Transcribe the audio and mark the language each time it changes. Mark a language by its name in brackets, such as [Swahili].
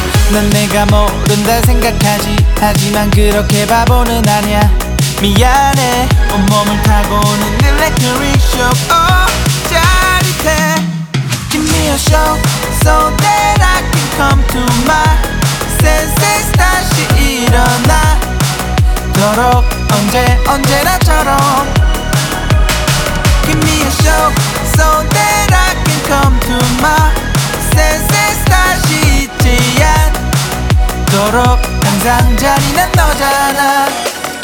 [Korean] 난 내가 모른다 생각하지. 하지만 그렇게 바보는 아니야. 미안해. 온몸을 타고 오는 [English] electric shock. [Korean] Oh, 짜릿해. [English] Give me a shock so that I can come to my senses. [Korean] 다시 일어나도록 언제 언제나처럼. [English] Give me a shock so that I can come to my senses. [Korean] 다시 잊지 않도록 항상 잔인한 너잖아.